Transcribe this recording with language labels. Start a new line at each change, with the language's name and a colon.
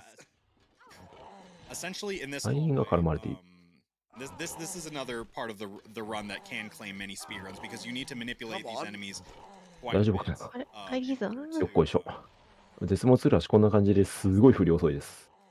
Japanese: アイリンが絡まれている。
English: This is another part of the run that can claim many speedruns because you need to manipulate these enemies.
Japanese: 大丈夫かな？アイリンさん？よっこいしょ。絶望ツールはこんな感じですごい振り遅いです。